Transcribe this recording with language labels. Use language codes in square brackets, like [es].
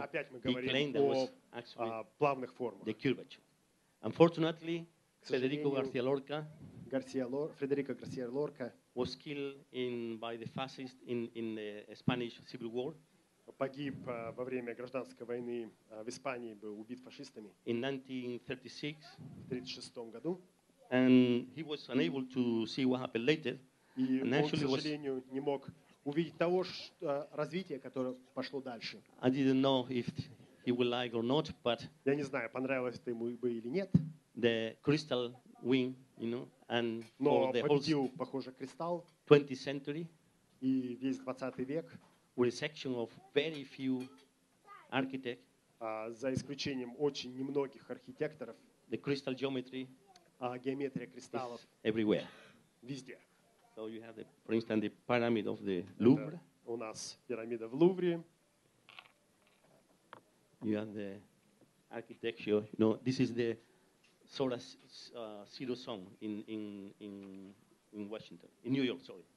[ru] опять мы говорим о плавных формах. [en] The curvature. Unfortunately, Federico Garcia Lorca was killed by the fascists in the Spanish Civil War. [ru] Погиб во время гражданской войны в Испании, был убит фашистами. [en] In 1936. [ru] В 36 году. [en] And he was unable to see what happened later. [ru] И он, к сожалению, не мог увидеть того что, развития, которое пошло дальше. [en] I didn't know if he would like or not, but [ru] я не знаю, понравилось это ему бы или нет. [en] The crystal win, you know, and [ru] но [en] the [ru] победил, [en] whole, [ru] похоже, кристалл. [en] 20th century. [ru] И весь 20 век. [en] With a section of very few architects. [ru] За исключением очень немногих архитекторов. [en] The crystal geometry. [ru] Геометрия кристаллов. [en] Everywhere. [ru] Везде. [en] So you have the, for instance, the pyramid of the Louvre. [ru] Это у нас пирамида в Лувре. [en] You have the architecture. No, this is the Sora Zero Song in Washington, in New York, sorry.